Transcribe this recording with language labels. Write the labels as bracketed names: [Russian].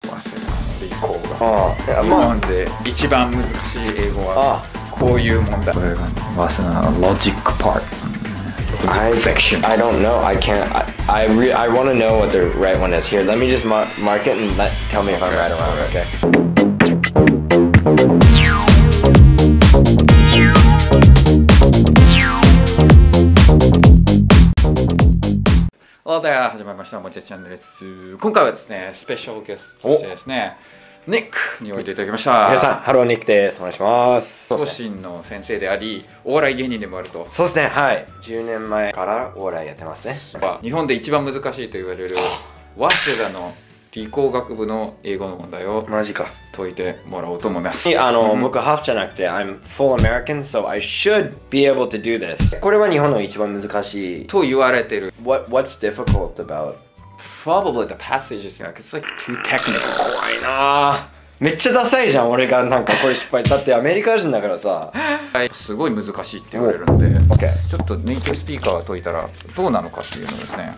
[Japanese] ああ日本で一番難しい英語はこういう問題。これが早稲田のロジックパート。 [English] I don't know. I can't. I want to know what the right one is here. Let me just mark it and tell me if I'm right or wrong. Okay. Hello there. [Japanese] 始まりました。もりてつチャンネルです。今回はですね、スペシャルゲストとしてですね、ニックにおいでいただきました。皆さん、ハローニックです。お願いします。教師の先生であり、お笑い芸人でもあると。そうですね、はい。 10年前からお笑いやってますね。日本で一番難しいと言われる早稲田の理工学部の英語の問題をマジか解いてもらおうと思います。僕はハーフじゃなくて [English] I'm full American, so I should be able to do this. [Japanese] これは日本の一番難しいと言われてる。 [English] What's difficult about Probably the passages, yeah, cause it's like too technical. [Japanese] 怖いなぁ。めっちゃダサいじゃん、俺がなんかこれ失敗。だってアメリカ人だからさ。すごい難しいって言われるので、 [English] okay. [Japanese] ちょっとネイティブスピーカーを解いたらどうなのかっていうのですね。